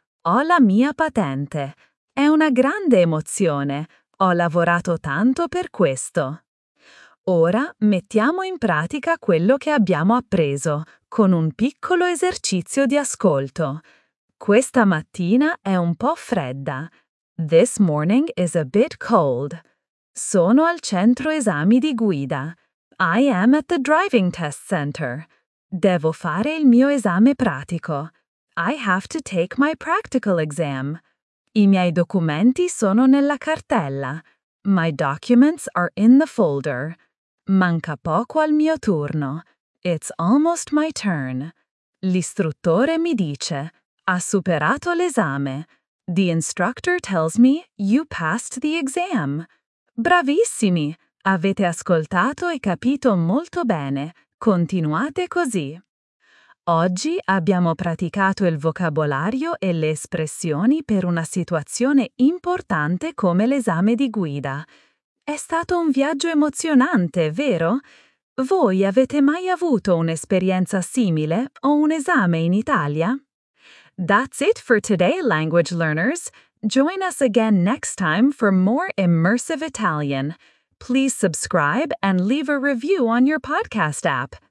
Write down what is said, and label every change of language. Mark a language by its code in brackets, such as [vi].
[it] Ho la mia patente! È una grande emozione! Ho lavorato tanto per questo!» Ora mettiamo in pratica quello che abbiamo appreso, con un piccolo esercizio di ascolto. Questa mattina è un po' fredda. [en] This morning is a bit cold. [it] Sono al centro esami di guida. [en] I am at the driving test center. [it] Devo fare il mio esame pratico. [en] I have to take my practical exam. [it] I miei documenti sono nella cartella. [en] My documents are in the folder. [it] Manca poco al mio turno. [en] It's almost my turn. [it] L'istruttore mi dice, ha superato l'esame. [en] The instructor tells me you passed the exam. [it] Bravissimi! Avete ascoltato e capito molto bene. Continuate così. Oggi abbiamo praticato il vocabolario e le espressioni per una situazione importante come l'esame di guida. È stato un viaggio emozionante, vero? Voi avete mai avuto un'esperienza simile o un esame in Italia? [en] That's it for today, language learners. Join us again next time for more immersive Italian. Please subscribe and leave a review on your podcast app.